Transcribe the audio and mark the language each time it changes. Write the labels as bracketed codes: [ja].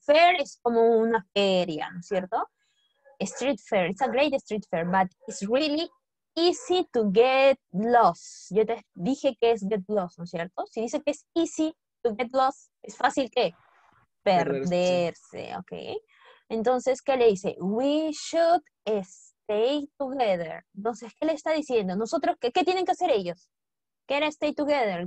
[es] Fair es como una feria, ¿no es cierto? [en] Street fair, it's a great street fair, but it's really easy to get lost. [es] Yo te dije que es get lost, ¿no es cierto? Si dice que es [en] easy to get lost, [es] ¿es fácil qué? Perderse, ¿ok? Entonces, ¿qué le dice? [en] We should stay together. [es] Entonces, ¿qué le está diciendo? ¿Nosotros qué tienen que hacer ellos? ¿Qué era stay together?